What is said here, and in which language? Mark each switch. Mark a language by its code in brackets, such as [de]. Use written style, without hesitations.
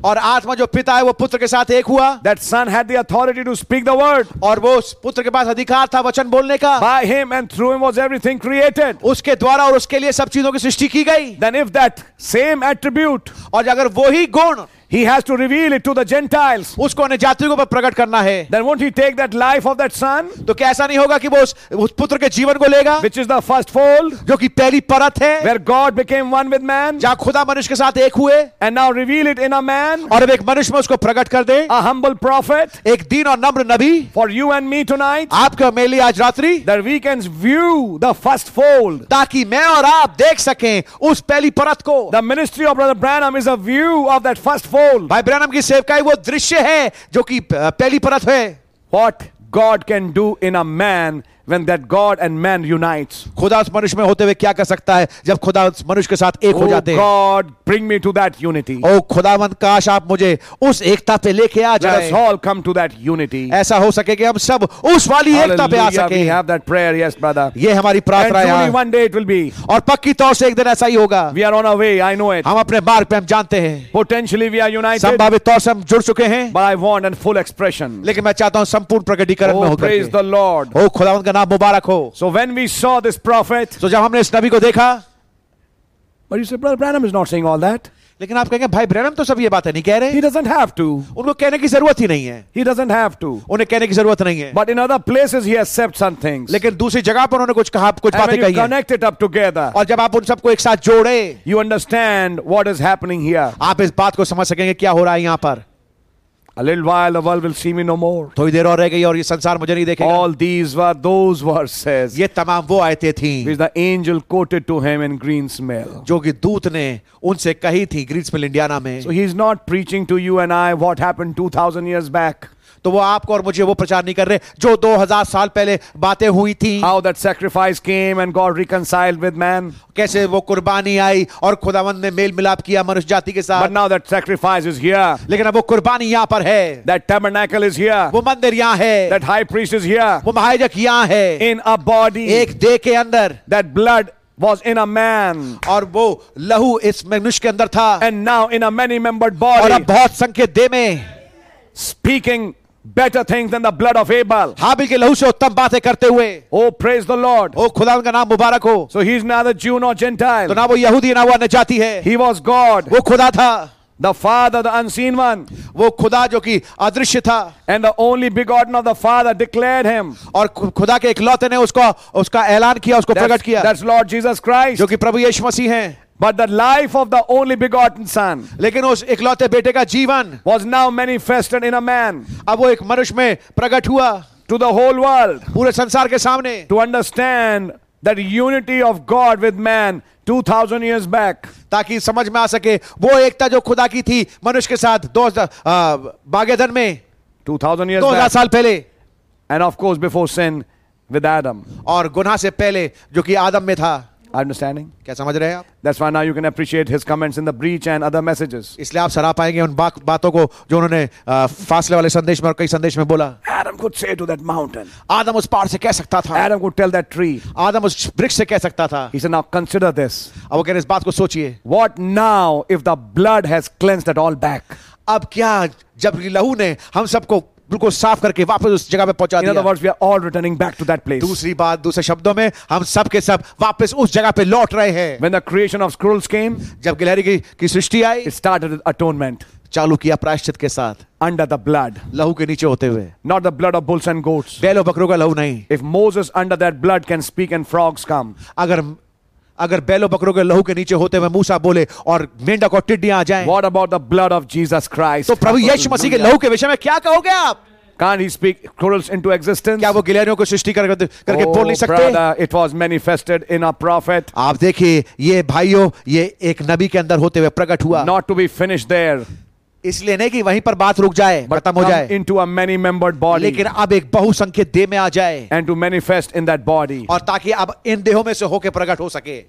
[hi] और आत्मा जो पिता है वो पुत्र के साथ एक हुआ. [en] That son had the authority to speak the word. [hi] और वो पुत्र के पास अधिकार था वचन बोलने का. [en] By him and through him was everything created. [hi] उसके द्वारा और उसके लिए सब चीजों की सृष्टि की गई. [en] Then if that same attribute. [hi] और अगर वही गुण. [en] He has to reveal it to the Gentiles. [hi] उसको अन्य जातियों के ऊपर प्रकट करना है. [en] Then won't he take that life of that son? [hi] तो कैसा नहीं होगा कि वो उस पुत्र के जीवन को लेगा? [en] Which is the first fold? [hi] जो कि पहली परत है. [en] Where God became one with man? [hi] जहाँ खुदा मनुष्य के साथ एक हुए. [en] And now reveal it in a man? [hi] और अब एक मनुष्य में उसको प्रकट कर दे. [en] A humble prophet? [hi] एक दीन और नम्र नबी. [en] For you and me tonight? [hi] आपके और मेरे लिए आज रात्रि. [en] That we can view the first fold? [hi] ताकि मैं और आप देख सकें उस पहली परत को. [en] The ministry of Brother Branham is a view of that first fold. [hi] भाई ब्रैनम की सेवकाई वो दृश्य है जो कि पहली परत है. [en] What God can do in a man when that God and man unites. [hi] खुदा उस मनुष्य में होते हुए क्या कर सकता है जब खुदा उस मनुष्य के साथ एक हो जाते हैं. [en] God bring me to that unity. [hi] ओ खुदावंत काश आप मुझे उस एकता पे लेके आ जाए. [en] Let us all come to that unity. [hi] ऐसा हो सके कि हम सब उस वाली एकता पे आ सके. [en] We have that prayer, yes brother. [hi] ये हमारी प्रार्थना है. [en] And only one day it will be. [hi] और पक्की तौर से एक दिन ऐसा ही होगा. [en] We are on our way, I know it. [hi] हम अपने मार्ग पे हम जानते हैं. [en] Potentially we are united. [hi] संभावित तौर से हम जुड़ चुके हैं. [en] But I want a full expression. [hi] लेकिन मैं चाहता हूं संपूर्ण प्रकटीकरण में होकर. [en] Praise the Lord. [hi] ओ खुदावंत मुबारक हो. [en] So when we saw this prophet, [hi] so जब हमने इस नबी को देखा, [en] but you said brother Branham is not saying all that. [hi] लेकिन आप कहेंगे भाई ब्रैनम तो सब ये बातें नहीं कह रहे. [en] He doesn't have to. [hi] उनको कहने की जरूरत ही नहीं है. [en] He doesn't have to. [hi] उन्हें कहने की जरूरत नहीं है. [en] But in other places he has said some things. [hi] लेकिन दूसरी जगह पर उन्होंने कुछ कहा, कुछ बातें कही. [en] And when you connect it up together, [hi] और जब आप उन सबको एक साथ जोड़े, [en] you understand what is happening here. [hi] आप इस बात को समझ सकेंगे क्या हो रहा है यहां पर. [en] A little while the world will see me no more. [hi] थोड़ी देर और रह गई और ये संसार मुझे नहीं देखेगा. [en] All these were those verses. [hi] ये तमाम वो आयतें थीं. [en] Which the angel quoted to him in Greensmill. [hi] जो कि दूत ने उनसे कही थी Greensmill, Indiana में. [en] So he is not preaching to you and I what happened 2000 years back. [hi] तो वो आपको और मुझे वो प्रचार नहीं कर रहे जो 2000 साल पहले बातें हुई थी. [en] How that sacrifice came and God reconciled with man. [hi] कैसे वो कुर्बानी आई और खुदावंद ने मेल मिलाप किया मनुष्य जाति के साथ. [en] But now that sacrifice is here. [hi] लेकिन अब वो कुर्बानी यहाँ पर है. [en] That tabernacle is here. [hi] वो मंदिर यहाँ है. [en] That high priest is here. [hi] वो महायाजक यहाँ है. [en] In a body. [hi] एक देह के अंदर. [en] That blood was in a man. [hi] और वो लहू इस मनुष्य के अंदर था. [en] And now in a many-membered body. [hi] और अब बहुत संख्या देह में. [en] Speaking better things than the blood of Abel. [hi] हाबिल के लहू से उत्तम बातें करते हुए. [en] Oh praise the Lord. [hi] ओ खुदावन का नाम मुबारक हो. [en] So he is neither Jew nor Gentile. [hi] तो ना वो यहूदी ना वो अन्य जाति है. [en] He was God. [hi] वो खुदा था. [en] The Father, the unseen one. [hi] वो खुदा जो कि अदृश्य था. [en] And the only begotten of the Father declared him. [hi] और खुदा के इकलौते ने उसको उसका ऐलान किया, उसको प्रकट किया. [en] That's Lord Jesus Christ. [hi] जो कि प्रभु यीशु मसीह हैं. [en] But the life of the only begotten Son. [hi] लेकिन उस इकलौते बेटे का जीवन. [en] Was now manifested in a man. [hi] अब वो एक मनुष्य में प्रकट हुआ. [en] To the whole world. [hi] पूरे संसार के सामने. [en] To understand that unity of God with man. 2000 years back. [hi] ताकि समझ में आ सके वो एकता जो खुदा की थी मनुष्य के साथ 2000 में. [en] 2000 years back. [hi] 2000 साल पहले. [en] And of course before sin with Adam. [hi] और गुनाह से पहले जो कि आदम में था. [en] Understanding? [hi] क्या समझ रहे हैं आप? [en] That's why now you can appreciate his comments in the breach and other messages. [hi] इसलिए आप सराह पाएंगे उन बातों को जो उन्होंने फासले वाले संदेश में और कई संदेश में बोला. [en] Adam could say to that mountain. [hi] आदम उस पहाड़ से कह सकता था. [en] Adam could tell that tree. [hi] आदम उस वृक्ष से कह सकता था. [en] He said, now consider this. [hi] अब वो कह रहे इस बात को सोचिए. [en] What now if the blood has cleansed it all back? [hi] अब क्या जब लहू ने हम सबको बिल्कुल साफ करके वापस उस जगह पे पहुंचा दिया. [en] In other words, we are all returning back to that place. [hi] दूसरी बात, दूसरे शब्दों में हम सब के सब वापस उस जगह पे लौट रहे हैं. [en] When the creation of scrolls came, [hi] जब गिलहरी की सृष्टि आई, [en] it started with atonement. [hi] चालू किया प्रायश्चित के साथ. [en] Under the blood, [hi] लहू के नीचे होते हुए. [en] Not the blood of bulls and goats. [hi] बैलों बकरों का लहू नहीं. [en] If Moses under that blood can speak and frogs come, [hi] अगर बैलों बकरों के लहू के नीचे होते हुए मूसा बोले और मेंढक और टिड्डियां आ जाएं, [en] What about the blood of Jesus Christ? [hi] तो प्रभु यीशु मसीह के लहू के विषय में क्या कहोगे आप? [en] Can't he speak corals into existence? [hi] क्या वो गिलहरियों को सृष्टि करके बोल नहीं सकते? [en] Brother, it was manifested in a prophet. [hi] आप देखिए ये भाइयों, ये एक नबी के अंदर होते हुए प्रकट हुआ. [en] Not to be finished there. [hi] इसलिए नहीं कि वहीं पर बात रुक जाए, खत्म हो जाए. [en] Into a many-membered body. [hi] लेकिन अब एक बहुसंख्यक देह में आ जाए. [en] And to manifest in that body. [hi] और ताकि अब इन देहों में से होके प्रकट हो सके.